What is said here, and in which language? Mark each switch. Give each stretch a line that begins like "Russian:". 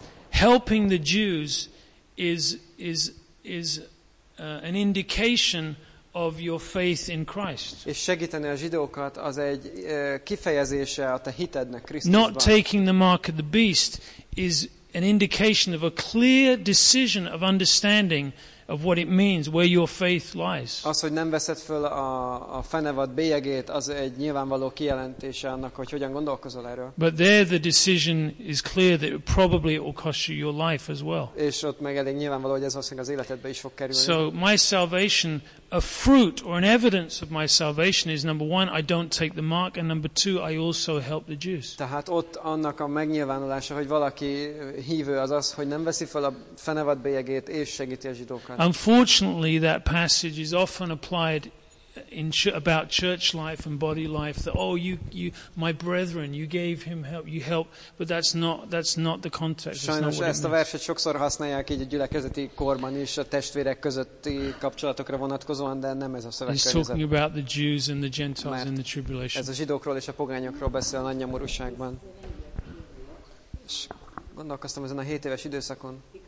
English: Helping the Jews is an indication of your faith in Christ.
Hungarian: És segíteni a zsidókat az egy kifejezése a te hitednek Krisztusban.
English: Not taking the mark of the beast is an indication of a clear decision of understanding of what it means, where your faith lies.
Hungarian: Az, hogy nem veszed föl a fenevad bélyegét, az egy nyilvánvaló kijelentése annak, hogy hogyan gondolkozol erről.
English: But there the decision is clear that probably it will cost you your life as well.
Hungarian: És ott meg elég nyilvánvaló, hogy ez valószínűleg az életedbe is fog kerülni.
English: So my salvation, a fruit or an evidence of my salvation is number one, I don't take the mark, and number two, I also help the Jews.
Hungarian: Tehát ott annak a megnyilvánulása, hogy valaki hívő az, hogy nem veszi fel a fenevad bélyegét és segíti a zsidókat.
English: Unfortunately, that passage is often applied in about church life and body life. That oh, you, my brethren, you gave him help, you help, but that's not the context.
Hungarian: Sajnos ezt a verset sokszor használják így a gyülekezeti korban is a testvérek közötti kapcsolatokra vonatkozóan, de nem ez a szöveg.
English: He's talking about the Jews and the Gentiles in the tribulation.
Hungarian: Ez a zsidókról és a pogányokról beszél a nagy nyomorúságban. És gondolkoztam ezen a 7 éves időszakon.